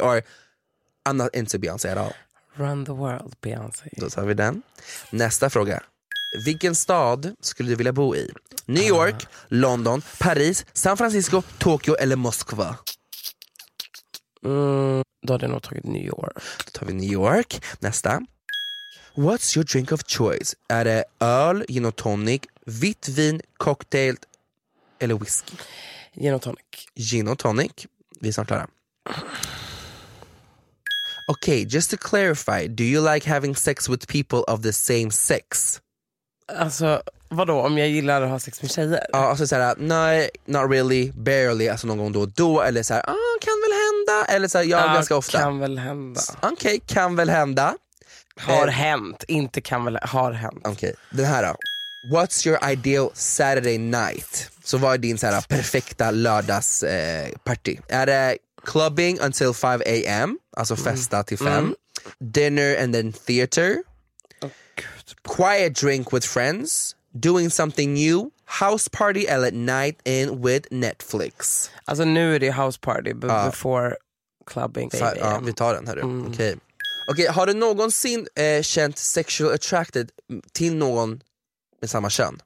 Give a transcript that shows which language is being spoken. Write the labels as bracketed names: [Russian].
[English] Or I'm not into Beyoncé at all. Run the world, Beyoncé. [Swedish] Då tar vi den. Nästa fråga. Vilken stad skulle du vilja bo i? New York, London, Paris, San Francisco, Tokyo eller Moskva? Då hade jag nog tagit New York. Då tar vi New York. Nästa. [English] What's your drink of choice? [Swedish] Är det öl, gin och tonic, vitt vin, cocktail eller whisky? Gin och tonic. Gin och tonic. Vi är snart klara. [English] Okay, just to clarify, do you like having sex with people of the same sex? [Swedish] Alltså, vadå, om jag gillar att ha sex med tjejer? Ja, alltså såhär, nej, [English] not really, barely, [Swedish] alltså någon gång då, eller såhär, kan väl hända, eller såhär, ganska ofta. Kan väl hända. Okej, okay, kan väl hända. Har hänt, inte kan väl, har hänt. Okej, okay. Den här då. [English] What's your ideal Saturday night? [Swedish] Så vad är din såhär perfekta lördags party? Är det [English] clubbing until 5 a.m.? [Swedish] Alltså festa till 5. [English] Dinner and then theater. Quiet drink with friends. Doing something new. House party eller night in with Netflix. [Swedish] Alltså nu är det house party, [English] but before clubbing. [Swedish] Vi tar den här då. Okej, har du någonsin känt [English] sexual attracted [Swedish] till någon med samma kön?